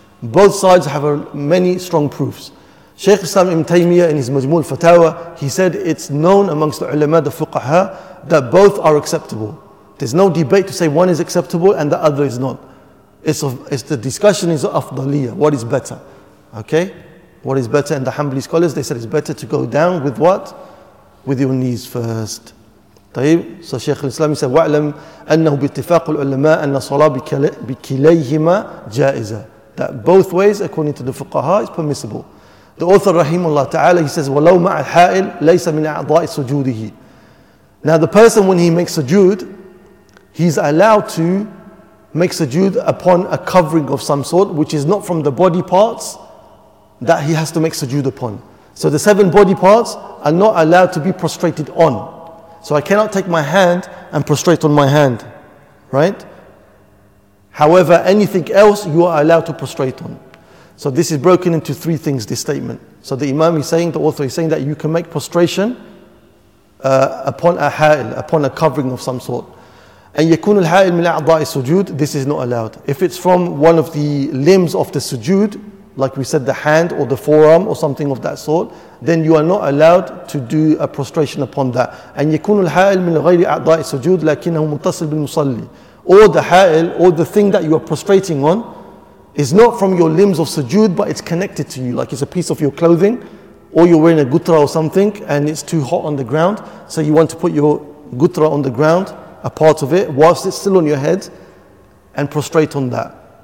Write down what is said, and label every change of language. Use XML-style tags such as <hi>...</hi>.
<en>Both sides have many strong proofs. Shaykh Islam Ibn Taymiyyah in his Majmu' al-Fatawa, he said it's known amongst the ulama, the fuqaha, that both are acceptable. There's no debate to say one is acceptable and the other is not. It's the discussion is afdaliyah. What is better? Okay? What is better? And the Hanbali scholars, they said it's better to go down with what? With your knees first. طيب. So Shaykh al-Islam said,</en> <ar>وَعْلَمْ أَنَّهُ بِاتِّفَاقُ الْعُلَمَاءَ أَنَّ صَلَى بِكِلَيْهِمَا جَائِزَةً.</ar> <en>That both ways, according to the fuqaha, is permissible. The author, Rahimullah Ta'ala, he says,</en> <ar>وَلَوْ مَعَ الْحَائِلْ لَيْسَ مِنْ أَعْضَاءِ سُجُودِهِ.</ar> <en>Now the person, when he makes sujood, he's allowed to make sujood upon a covering of some sort, which is not from the body parts that he has to make sujood upon. So the seven body parts are not allowed to be prostrated on. So I cannot take my hand and prostrate on my hand, right? However, anything else you are allowed to prostrate on. So this is broken into three things, this statement. So the Imam is saying, the author is saying that you can make prostration upon a ha'il, upon a covering of some sort.</en> <ar>And يَكُونُ الْحَائِلْ مِنْ أَعْضَاءِ السُّجُودِ.</ar> <en>This is not allowed. If it's from one of the limbs of the sujood, like we said, the hand or the forearm or something of that sort, then you are not allowed to do a prostration upon that.</en> <ar>And يَكُونُ الْحَائِلْ مِنْ غَيْرِ أَعْضَاءِ السُّجُودِ لَكِنَّهُ مُتَصِلْ بِالْمُصَلِّي.</ar> <en>Or the ha'il, or the thing that you are prostrating on, is not from your limbs of sujood, but it's connected to you, like it's a piece of your clothing, or you're wearing a gutra or something, and it's too hot on the ground, so you want to put your gutra on the ground, a part of it, whilst it's still on your head, and prostrate on that.</en>